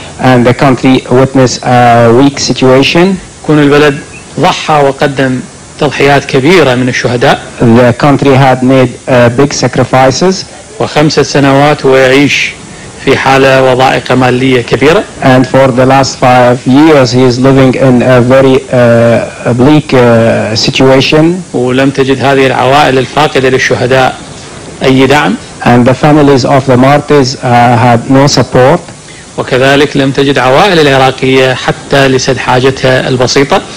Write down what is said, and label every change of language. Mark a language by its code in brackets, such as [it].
[en] And the country witnessed a weak situation. [ar] يكون البلد ضحى وقدم تضحيات كبيرة من الشهداء. [en] The country had made big sacrifices. [ar] وخمسة سنوات هو يعيش في حالة وضائقة مالية كبيرة. [en] And for the last five years he is living in a very bleak situation. [ar] ولم تجد هذه العوائل الفاقدة للشهداء أي دعم. [en] And the families of the martyrs had no support. [ar] وكذلك لم تجد عوائل العراقية حتى لسد حاجتها البسيطة.